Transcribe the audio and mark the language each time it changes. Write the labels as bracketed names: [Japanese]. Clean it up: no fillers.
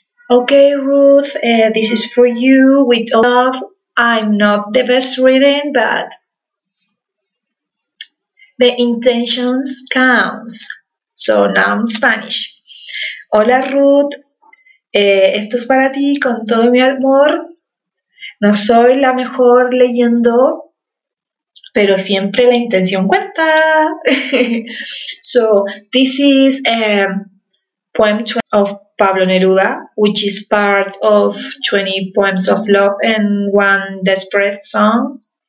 [English] Okay, Ruth, this is for you with all love. I'm not the best reading, but the intentions count. So now I'm Spanish. [Spanish] Hola, Ruth. Esto es para ti con todo mi amor. No soy la mejor leyendo, pero siempre la intención cuenta. [English] So this is poem 20 of Pablo Neruda, which is part of 20 poems of love and one desperate song.